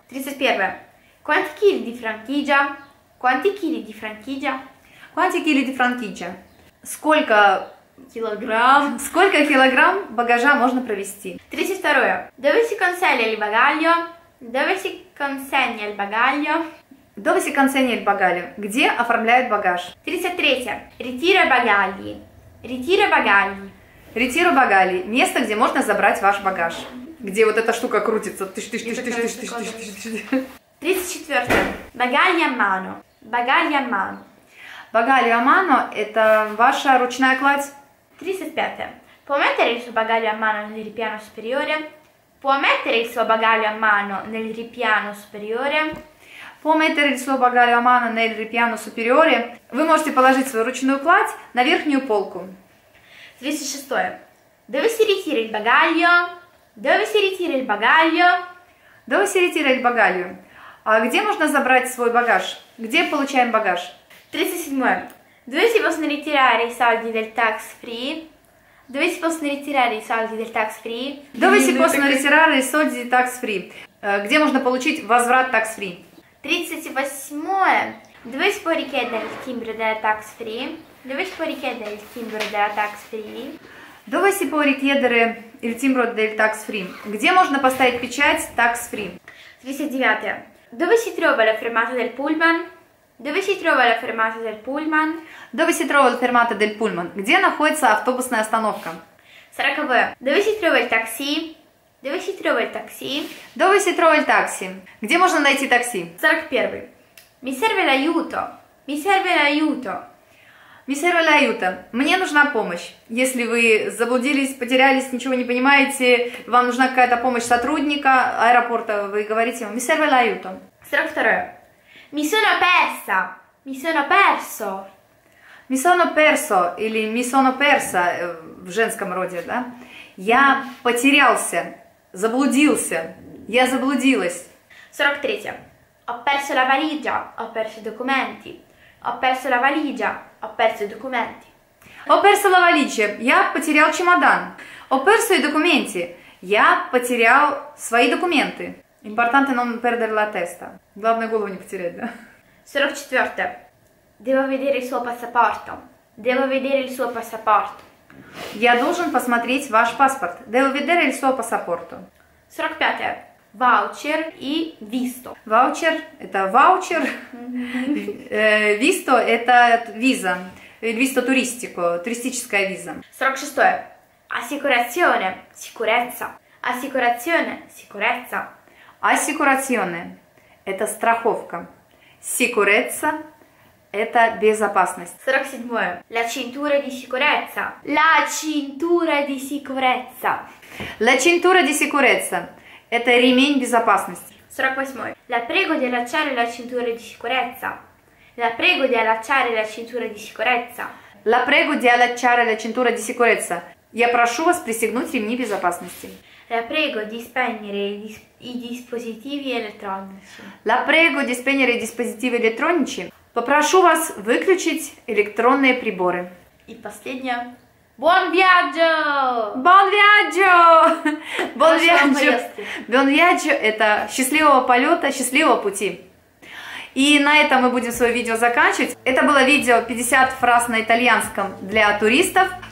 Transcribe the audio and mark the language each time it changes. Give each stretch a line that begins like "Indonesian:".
Russian: 31.
Italian: Quanti chili di franchigia? Quanti chili di franchigia? Quanti chili di franchigia?
Russian: Сколько килограмм? Сколько килограмм багажа можно провести? 32.
Italian: Dove si consegna il bagaglio? Dove si consegna il bagaglio? Dove si consegna il bagaglio?
Russian: Где оформляют багаж?
Italian: 33. Ritira i bagagli. Ritira bagagli. Ritiro bagagli.
Russian: Место, где можно забрать ваш багаж. Где вот эта штука крутится. Тыш-тыш-тыш-тыш-тыш-тыш-тыш-тыш-тыш-тыш.
Italian: 34. Bagagli a mano. Bagagli a mano. Bagagli a mano
Russian: – это ваша ручная кладь. 35.
Italian: Può mettere il suo bagaglio a mano nel ripiano superiore? Può mettere il suo bagaglio a mano nel ripiano superiore? Può mettere il suo bagaglio a mano nel ripiano superiore?
Russian: Вы можете положить свою ручную кладь на верхнюю полку. 36.
Italian: Dove si ritira il bagaglio? Dove si ritira il bagaglio? Dove si ritira il bagaglio?
Russian: А где можно забрать свой багаж? Где получаем багаж? 37.
Italian: Dove si possono ritirare i soldi del tax free? Dove si possono ritirare i soldi del tax free? Dove si possono ritirare i soldi del tax free?
Russian: Где можно получить возврат tax free? 38.
Italian: Dove si può richiedere il timbro del tax free? Dove si può richiedere il timbro del tax free? Dove si può richiedere il timbro del tax free?
Russian: Где можно поставить печать tax free?
Italian: 39. Dove si trova la fermata del pullman? Dove si trova la fermata del pullman? Dove si trova la fermata del pullman?
Russian: Где находится автобусная остановка?
Italian: 40. Dove si trova il taxi? Dove si trova il taxi? Dove si trova il taxi?
Russian: Где можно найти такси?
Italian: 41. Mi serve l'aiuto. Mi serve l'aiuto. Mi serve l'aiuto.
Russian: Мне нужна помощь. Если вы заблудились, потерялись, ничего не понимаете, вам нужна какая-то помощь сотрудника аэропорта, вы говорите ему:
Italian: Mi serve l'aiuto. 42. Mi sono persa. Mi sono perso. Mi sono perso или mi sono persa
Russian: в женском роде, да? Я потерялся, заблудился. Я заблудилась.
Italian: 43. Ho perso la valigia. Ho perso i documenti. Ho perso la valigia. Ho perso i documenti. Ho perso la valigia.
Russian: Я потерял чемодан.
Italian: Ho perso i documenti.
Russian: Я потерял свои документы.
Italian: Importante non perdere la testa.
Russian: Главное голову не потерять, да?
Italian: 44. Devo vedere il suo passaporto. Devo vedere il suo passaporto.
Russian: Я должен посмотреть ваш паспорт.
Italian: Devo vedere il suo passaporto.
Russian: 45. Ваучер и висто. Ваучер – это ваучер. Висто – это виза. Висто туристико, туристическая виза. 46. Ассикурационе – сикуреца. Ассикурационе – сикуреца. Ассикурационе – это страховка. Сикуреца – это безопасность. 47.
Italian: La cintura di sicurezza. La cintura di sicurezza. La cintura di sicurezza.
Russian: Это ремень безопасности. 48.
Italian: La prego di allacciare la cintura di sicurezza. La prego di allacciare la cintura di sicurezza. La prego di allacciare la cintura di sicurezza.
Russian: Я прошу вас пристегнуть ремни безопасности.
Italian: La prego di spegnere i dispositivi elettronici. La prego di spegnere i dispositivi elettronici.
Russian: Попрошу вас выключить электронные приборы. И последнее.
Italian: Buon viaggio! Buon viaggio! Buon viaggio! Buon viaggio
Russian: – это счастливого полета, счастливого пути. И на этом мы будем свое видео заканчивать. Это было видео 50 фраз на итальянском для туристов.